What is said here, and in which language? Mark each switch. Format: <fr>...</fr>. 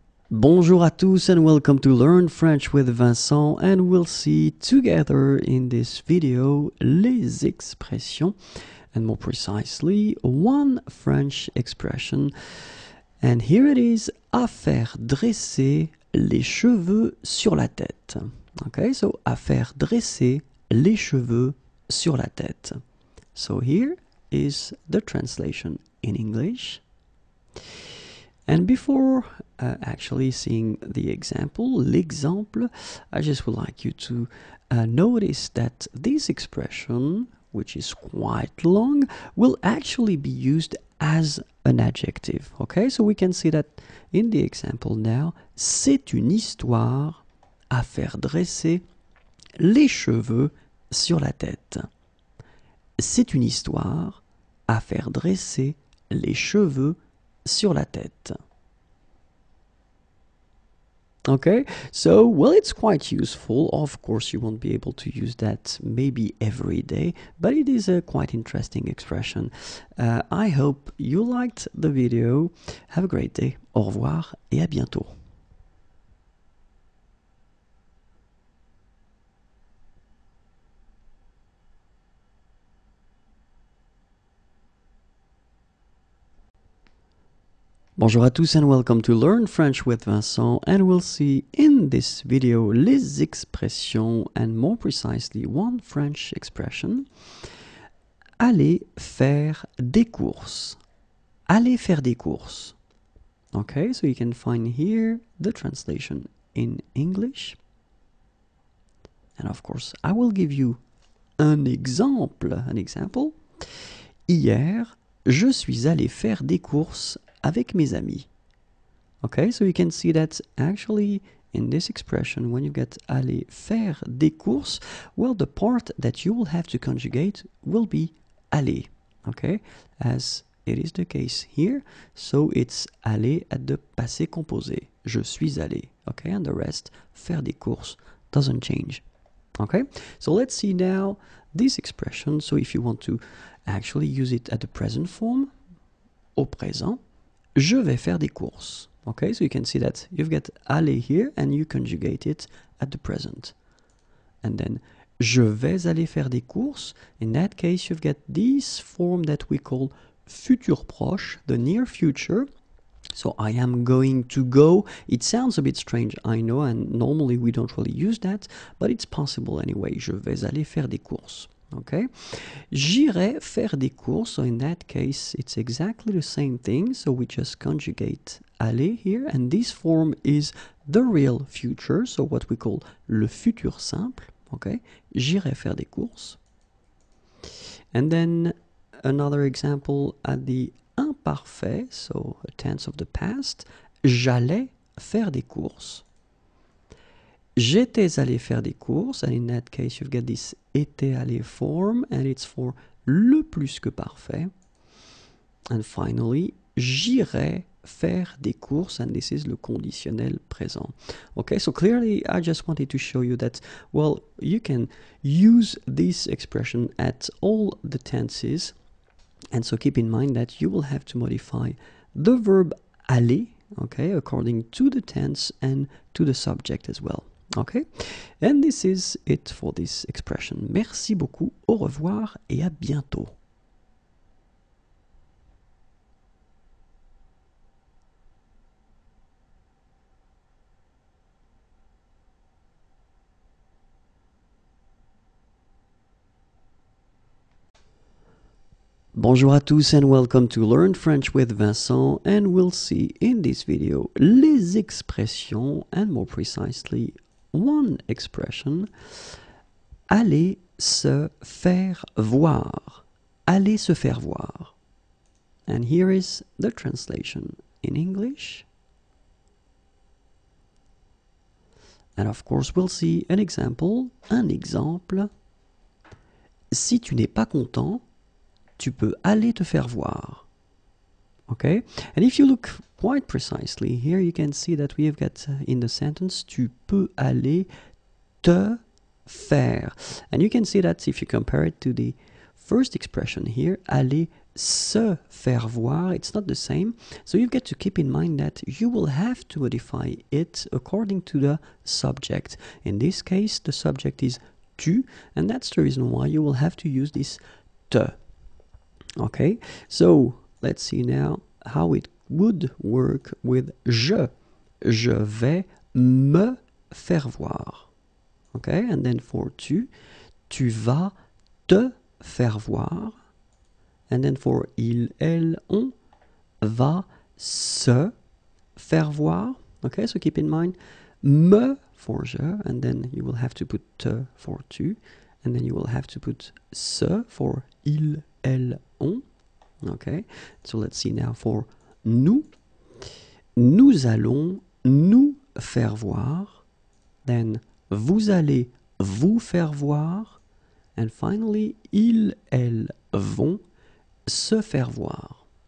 <fr>Bonjour à tous</fr> <en>and welcome to Learn French with Vincent, and we'll see together in this video</en> <fr>les expressions,</fr> <en>and more precisely one French expression, and here it is,</en> <fr>à faire dresser les cheveux sur la tête.</fr> <en>Okay, so</en> <fr>à faire dresser les cheveux sur la tête.</fr> <en>So here is the translation in English. And before actually seeing the example, l'exemple, I just would like you to notice that this expression, which is quite long, will actually be used as an adjective. Okay, so we can see that in the example now,</en> <fr>c'est une histoire à faire dresser les cheveux sur la tête. C'est une histoire à faire dresser les cheveux sur la tête.</fr> <en>Okay, so, well, it's quite useful. Of course, you won't be able to use that maybe every day, but it is a quite interesting expression. I hope you liked the video. Have a great day.</en> <fr>Au revoir et à bientôt. Bonjour à tous</fr> <en>and welcome to Learn French with Vincent, and we'll see in this video</en> <fr>les expressions</fr> <en>and more precisely one French expression.</en> <fr>Aller faire des courses. Aller faire des courses.</fr> <en>Okay, so you can find here the translation in English. And of course, I will give you an example.</en> <fr>Hier, je suis allé faire des courses avec mes amis.</fr> <en>Okay, so you can see that actually in this expression, when you get</en> <fr>aller faire des courses,</fr> <en>well, the part that you will have to conjugate will be aller. Okay, as it is the case here, so it's aller at the passé composé.</en> <fr>Je suis allé.</fr> <en>Okay, and the rest,</en> <fr>faire des courses,</fr> <en>doesn't change. Okay, so let's see now this expression. So if you want to actually use it at the present form,</en> <fr>au présent, je vais faire des courses.</fr> <en>Okay, so you can see that you've got aller here and you conjugate it at the present.</en> <fr>And then, je vais aller faire des courses.</fr> <en>In that case, you've got this form that we call futur proche, the near future. So I am going to go. It sounds a bit strange, I know, and normally we don't really use that, but it's possible anyway.</en> <fr>Je vais aller faire des courses.</fr> <en>Okay,</en> <fr>j'irai faire des courses,</fr> <en>so in that case it's exactly the same thing, so we just conjugate aller here, and this form is the real future, so what we call le futur simple.</en> <fr>Okay, j'irai faire des courses.</fr> <en>And then another example at the imparfait, so a tense of the past,</en> <fr>j'allais faire des courses. J'étais allé faire des courses,</fr> <en>and in that case you've got this était allé form, and it's for le plus que parfait. And finally,</en> <fr>j'irai faire des courses,</fr> <en>and this is</en> <fr>le conditionnel présent.</fr> <en>Okay, so clearly I just wanted to show you that, well, you can use this expression at all the tenses, and so keep in mind that you will have to modify the verb aller, okay, according to the tense and to the subject as well. Okay, and this is it for this expression.</en> <fr>Merci beaucoup, au revoir et à bientôt. Bonjour à tous</fr> <en>and welcome to Learn French with Vincent, and we'll see in this video</en> <fr>les expressions</fr> <en>and more precisely one expression.</en> <fr>Aller se faire voir. Aller se faire voir.</fr> <en>And here is the translation in English. And of course, we'll see an example.</en> <fr>Un exemple. Si tu n'es pas content, tu peux aller te faire voir.</fr> <en>Okay? And if you look quite precisely, here you can see that we have got in the sentence,</en> <fr>tu peux aller te faire.</fr> <en>And you can see that if you compare it to the first expression here,</en> <fr>aller se faire voir,</fr> <en>it's not the same. So you've got to keep in mind that you will have to modify it according to the subject. In this case, the subject is tu, and that's the reason why you will have to use this te. Okay, so let's see now how it would work with je.</en> <fr>Je vais me faire voir.</fr> <en>Okay, and then for</en> <fr>tu, tu vas te faire voir.</fr> <en>And then for</en> <fr>il, elle, on, va se faire voir.</fr> <en>Okay, so keep in mind, me for je, and then you will have to put te for tu, and then you will have to put se for il, elle, on. Okay, so let's see now for nous.</en> <fr>Nous allons nous faire voir. Then, vous allez vous faire voir. And finally, ils, elles vont se faire voir.</fr>